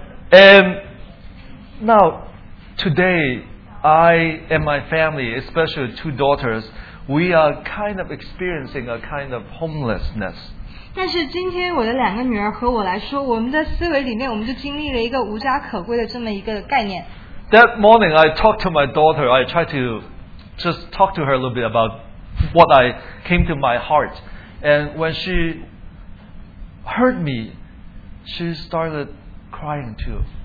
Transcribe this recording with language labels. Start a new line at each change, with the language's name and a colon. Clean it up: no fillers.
English: And now, today, I and my family, especially two daughters, we are kind of experiencing a kind of homelessness.
Chinese: 但是今天我的两个女儿和我来说, 我们的思维里面, 我们就经历了一个无家可归的这么一个概念。
English: That morning, I talked to my daughter. I tried to just talk to her a little bit about what I came to my heart. And when she heard me, she started crying too.